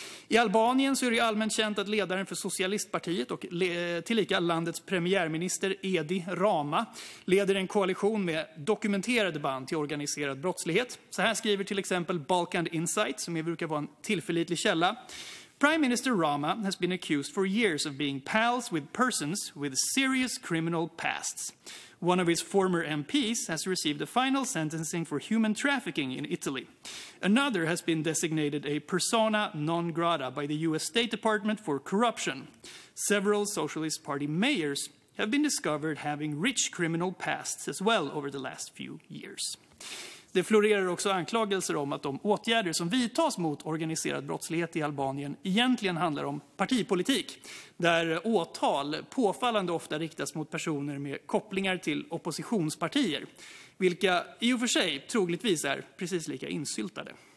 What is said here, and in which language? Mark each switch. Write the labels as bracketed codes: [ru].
[sv] I Albanien så är det allmänt känt att ledaren för Socialistpartiet och tillika landets premiärminister Edi Rama leder en koalition med dokumenterade band till organiserad brottslighet. Så här skriver till exempel Balkan Insight, som brukar vara en tillförlitlig källa. [en] Prime Minister Rama has been accused for years of being pals with persons with serious criminal pasts. One of his former MPs has received a final sentencing for human trafficking in Italy. Another has been designated a persona non grata by the US State Department for corruption. Several Socialist Party mayors have been discovered having rich criminal pasts as well over the last few years. [sv] Det florerar också anklagelser om att de åtgärder som vidtas mot organiserad brottslighet i Albanien egentligen handlar om partipolitik, där åtal påfallande ofta riktas mot personer med kopplingar till oppositionspartier, vilka i och för sig troligtvis är precis lika insyltade.